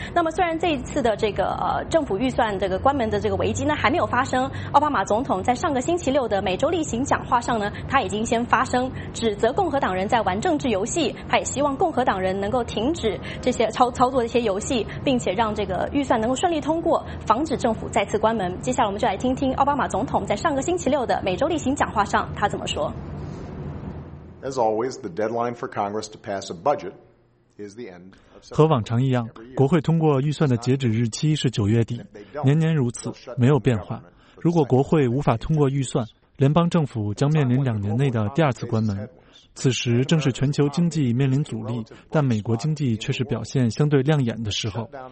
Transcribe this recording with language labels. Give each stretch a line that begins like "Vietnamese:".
Chinese: 那么虽然这一次的这个政府预算这个关门的这个危机呢还没有发生，奥巴马总统在上个星期六的每周例行讲话上呢他已经先发声指责共和党人在玩政治游戏，他也希望共和党人能够停止这些操作这些游戏，并且让这个预算能够顺利通过，防止政府再次关门。接下来我们就来听听奥巴马总统在上个星期六的每周例行讲话上他怎么说。
English: As always, the deadline for Congress to pass a budget is the end.
Chinese: 和往常一样，国会通过预算的截止日期是9月底，年年如此，没有变化。如果国会无法通过预算，联邦政府将面临两年内的第二次关门。此时正是全球经济面临阻力，但美国经济却是表现相对亮眼的时候。